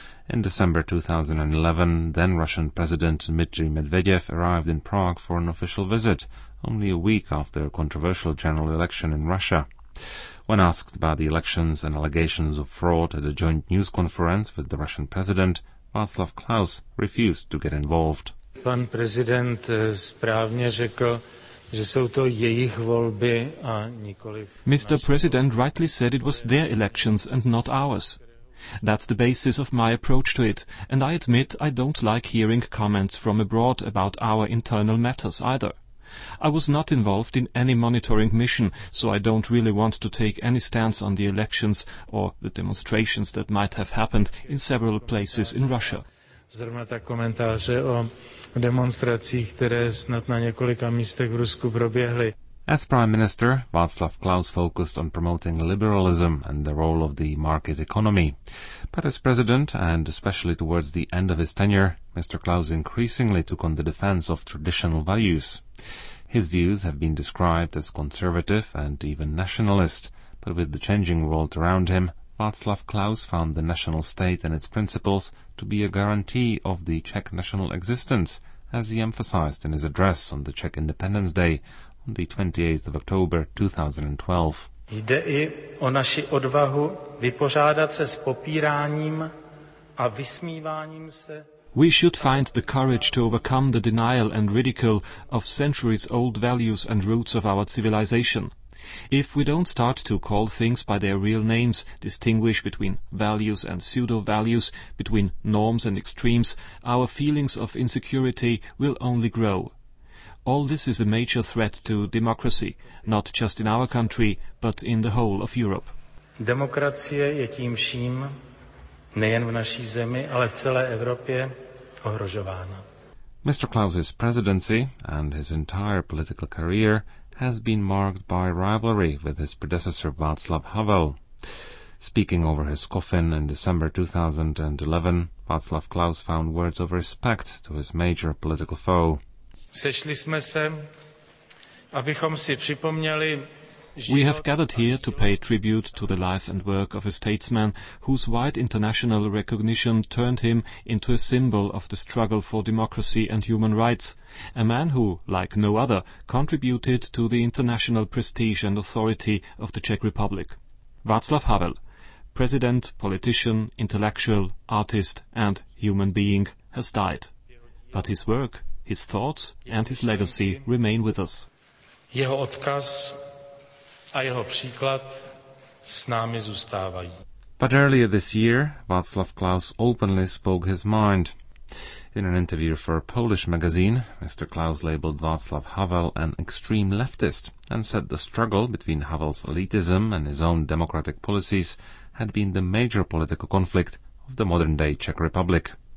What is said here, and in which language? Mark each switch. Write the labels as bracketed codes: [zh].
[en] In December 2011, then-Russian President Dmitry Medvedev arrived in Prague for an official visit, only a week after a controversial general election in Russia. When asked about the elections and allegations of fraud at a joint news conference with the Russian president, Václav Klaus refused to get involved. [cs] Pan prezident správně řekl, že jsou to jejich volby a nikoliv. [en] Mr. President rightly said it was their elections and not ours. That's the basis of my approach to it, and I admit I don't like hearing comments from abroad about our internal matters either. I was not involved in any monitoring mission, so I don't really want to take any stance on the elections or the demonstrations that might have happened in several places in Russia. [cs] Zrovna tak komentáře o demonstracích, které snad na několika místech v Rusku proběhly. [en] As Prime Minister, Václav Klaus focused on promoting liberalism and the role of the market economy. But as President, and especially towards the end of his tenure, Mr. Klaus increasingly took on the defense of traditional values. His views have been described as conservative and even nationalist, but with the changing world around him, Václav Klaus found the national state and its principles to be a guarantee of the Czech national existence, as he emphasized in his address on the Czech Independence Day, on the 28th of October 2012. [cs] Jde i o naši odvahu vypořádat se s popíráním a vysmíváním se. [en] We should find the courage to overcome the denial and ridicule of centuries-old values and roots of our civilization. If we don't start to call things by their real names, distinguish between values and pseudo-values, between norms and extremes, our feelings of insecurity will only grow. All this is a major threat to democracy, not just in our country, but in the whole of Europe. [cs] Demokracie je tím vším, nejen v naší zemi, ale v celé Evropě, ohrožována. [en] Mr. Klaus's presidency and his entire political career has been marked by rivalry with his predecessor Václav Havel. Speaking over his coffin in December 2011, Václav Klaus found words of respect to his major political foe. [cs] Sešli jsme se, abychom si připomněli. [en] We have gathered here to pay tribute to the life and work of a statesman whose wide international recognition turned him into a symbol of the struggle for democracy and human rights, a man who, like no other, contributed to the international prestige and authority of the Czech Republic. Václav Havel, president, politician, intellectual, artist and human being, has died. But his work, his thoughts and his legacy remain with us. [cs] Jeho odkaz a jeho příklad s námi zůstávají. [en] But earlier this year, Václav Klaus openly spoke his mind. In an interview for a Polish magazine, Mr. Klaus labeled Václav Havel an extreme leftist and said the struggle between Havel's elitism and his own democratic policies had been the major political conflict of the modern-day Czech Republic.